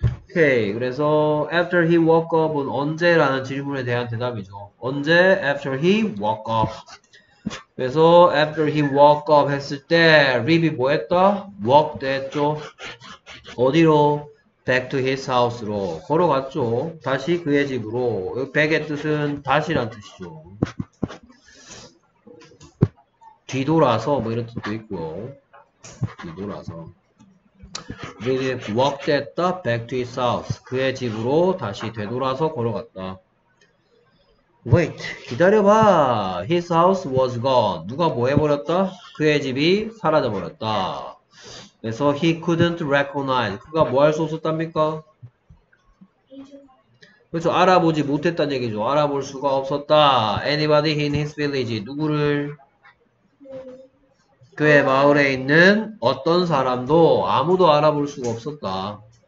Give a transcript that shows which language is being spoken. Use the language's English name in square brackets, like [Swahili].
[Korean] Okay, 그래서 [English] after he woke up [Korean] 은 언제라는 질문에 대한 대답이죠. 언제? [English] After he woke up. [Korean] 그래서 [English] after he woke up [Korean] 했을 때 Rip이 뭐 했다? Walked 했죠. 어디로? [English] Back to his house로 [Korean] 걸어갔죠. 다시 그의 집으로. Back의 뜻은 다시란 뜻이죠. 뒤돌아서 뭐 이런 뜻도 있고요. 뒤돌아서. [English] Rip walked at the back to his house. [Korean] 그의 집으로 다시 되돌아서 걸어갔다. [English] Wait, [Korean] 기다려봐. [English] His house was gone. [Korean] 누가 뭐 해버렸다? 그의 집이 사라져버렸다. 그래서 [English] he couldn't recognize. [Korean] 그가 뭐 할 수 없었답니까? 그렇죠. 알아보지 못했단 얘기죠. 알아볼 수가 없었다. [English] Anybody in his village. [Korean] 누구를? 그의 마을에 있는 어떤 사람도 아무도 알아볼 수가 없었다.